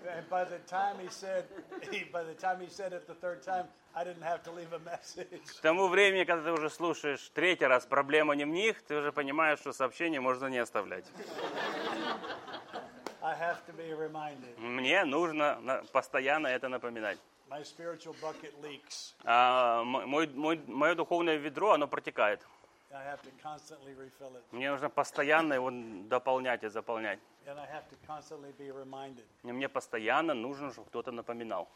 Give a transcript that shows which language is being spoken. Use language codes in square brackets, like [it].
[en] By the time he said, at the third time, I didn't have to leave a message. [ru] К тому времени, когда ты уже слушаешь третий раз, проблема не в них, ты уже понимаешь, что сообщение можно не оставлять. [en] I have to be reminded. [ru] Мне нужно постоянно это напоминать. [en] My spiritual bucket leaks. [ru] Мое духовное ведро, оно протекает. [en] I have to constantly refill it. [ru] Мне нужно постоянно его дополнять и заполнять. [en] And I have to constantly be reminded. [ru] Мне постоянно нужно, чтобы кто-то напоминал.